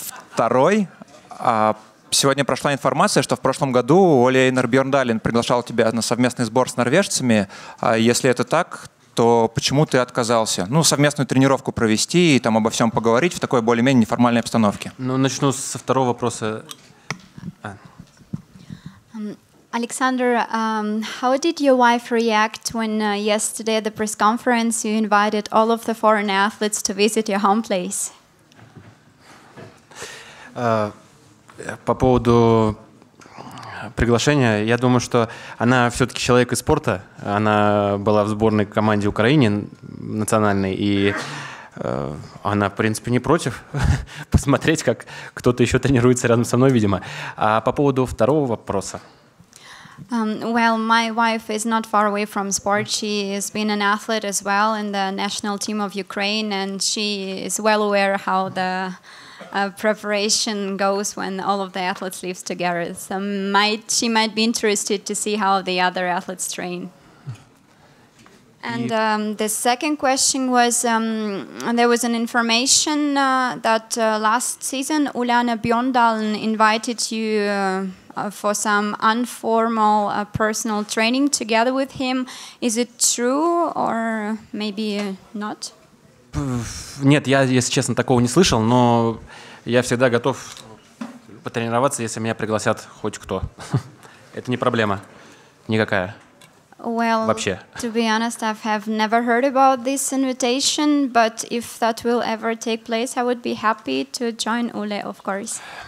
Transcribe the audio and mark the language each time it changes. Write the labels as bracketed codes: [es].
[ru] Второй, сегодня прошла информация, что в прошлом году Оли Эйнер Бьёрндалин приглашал тебя на совместный сбор с норвежцами. Если это так, то почему ты отказался? Ну, совместную тренировку провести и там обо всем поговорить в такой более-менее неформальной обстановке. Ну, начну со второго вопроса. [en] Alexander, how did your wife react when yesterday at the press conference you invited all of the foreign athletes to visit your home place? [ru] По поводу приглашения, я думаю, что она все-таки человек из спорта. Она была в сборной команде Украины национальной, и она, в принципе, не против посмотреть, как кто-то еще тренируется рядом со мной, видимо. А по поводу второго вопроса. [en] Well, my wife is not far away from sport. She has been an athlete as well in the national team of Ukraine, and she is well aware how the preparation goes when all of the athletes live together. So she might be interested to see how the other athletes train. And the second question was, there was an information that last season Uljana Bjørndalen invited you for some informal personal training together with him. Is it true or maybe not? [ru] Нет, я, если честно, такого не слышал, но я всегда готов потренироваться, если меня пригласят хоть кто. Это не проблема никакая. [en] Well, [ru] вообще. [en] To be honest, I have never heard about this invitation, but if that will ever take place, I would be happy to join Ule, of course.